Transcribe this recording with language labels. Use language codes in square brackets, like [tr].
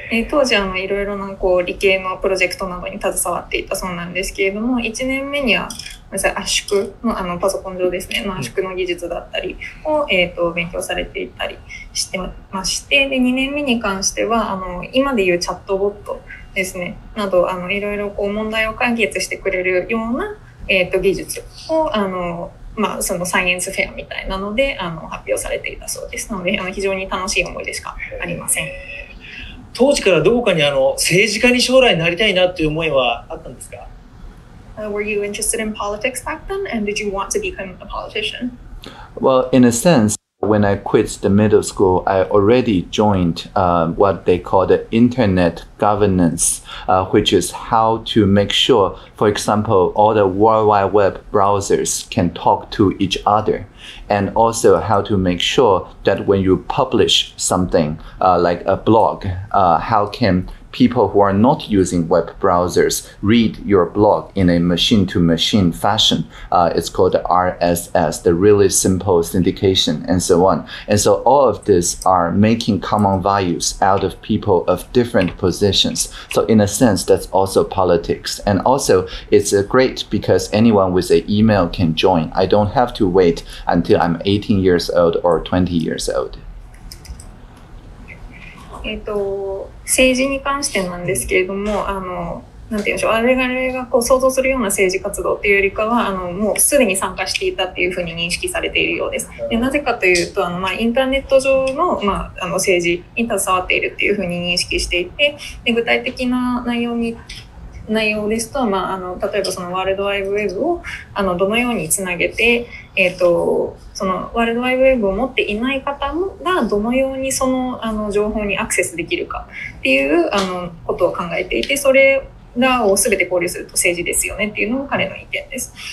[ja] 当時いろいろなこう理系のプロジェクトなどに携わっていたそうなんですけれども、1年目には圧縮の、パソコン上ですね、圧縮の技術だったりを、勉強されていたりしてまして、で2年目に関しては今でいうチャットボットですね、などいろいろこう問題を解決してくれるような、技術をそのサイエンスフェアみたいなので発表されていたそうですので、非常に楽しい思い出しかありません。当時からどこかに政治家に将来なりたいなという思いはあったんですか？ [en] Were you interested in politics back then, and did you want to become a politician? Well, in a sense, when I quit the middle school, I already joined what they call the internet governance, which is how to make sure, for example, all the World Wide Web browsers can talk to each other. And also how to make sure that when you publish something like a blog, how can people who are not using web browsers read your blog in a machine-to-machine fashion. It's called RSS, the really simple syndication, and so on. And so all of this are making common values out of people of different positions. So in a sense, that's also politics. And also, it's great because anyone with an email can join. I don't have to wait until I'm 18 years old or 20 years old. [ja] 政治に関してなんですけれども、なんて言うんでしょう、我々がこう想像するような政治活動というよりかは、もうすでに参加していたというふうに認識されているようです。で、なぜかというと、インターネット上の、政治に携わっているというふうに認識していて、で具体的な内容ですと、例えばそのワールドワイドウェブをどのようにつなげて、そのワールドワイドウェブを持っていない方がどのようにその情報にアクセスできるかっていうことを考えていて、それらを全て考慮すると政治ですよねっていうのも彼の意見です。